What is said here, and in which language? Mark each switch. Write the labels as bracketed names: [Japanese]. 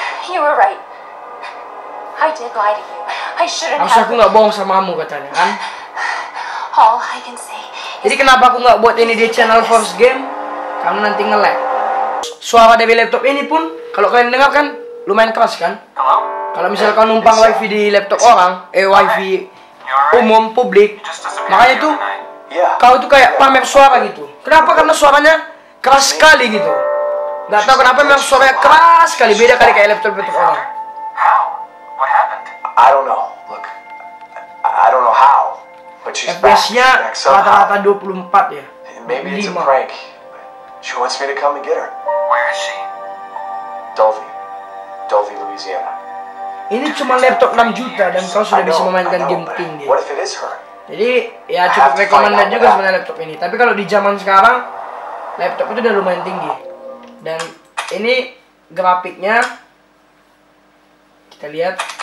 [English] You were right. I did lie to you. I shouldn't [Indonesian] have. Harus aku nggak bohong sama kamu katanya kan? [English] All I can say. [Indonesian] Jadi kenapa aku nggak buat ini di channel First Game? Karena nanti nge-lag. Suara dari laptop ini pun, kalau kalian dengar kan, lumayan keras kan? Kalau misalnya kau numpang wifi di laptop orang, wifi umum publik, makanya tuh. Kau tuh kayak pamer suara gitu. Kenapa? Karena suaranya keras sekali gitu. Gak tau kenapa memang suaranya keras sekali. Beda kali kayak laptop itu orang. [English] How? What happened? I don't know. Look, I don't know how, but she's back. [Indonesian] FPS-nya rata-rata 24 ya. [English] Maybe it's a prank. She wants me to come and get her. Where is she? Dolby, Louisiana. [Indonesian] Ini cuma laptop 6 juta dan kau sudah bisa memainkan game tinggi. [English] What if it is her? [Indonesian] Jadi ya cukup recommended juga sebenarnya laptop ini. Tapi kalau di zaman sekarang laptop itu udah lumayan tinggi. Dan ini grafiknya kita lihat.